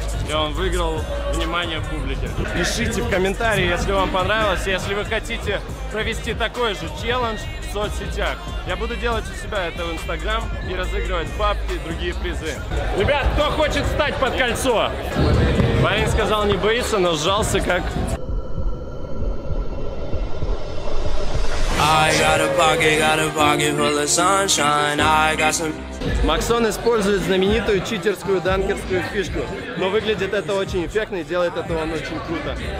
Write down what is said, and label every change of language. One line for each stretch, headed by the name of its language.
Russian: И он выиграл внимание публики. Пишите в комментарии, если вам понравилось, если вы хотите провести такой же челлендж в соцсетях. Я буду делать у себя это в Инстаграм и разыгрывать бабки и другие призы. Ребят, кто хочет встать под кольцо? Парень сказал не боится, но сжался как...
English: I got a pocket, full of sunshine. I got some...
Russian: Максон использует знаменитую читерскую данкерскую фишку, но выглядит это очень эффектно и делает это он очень круто.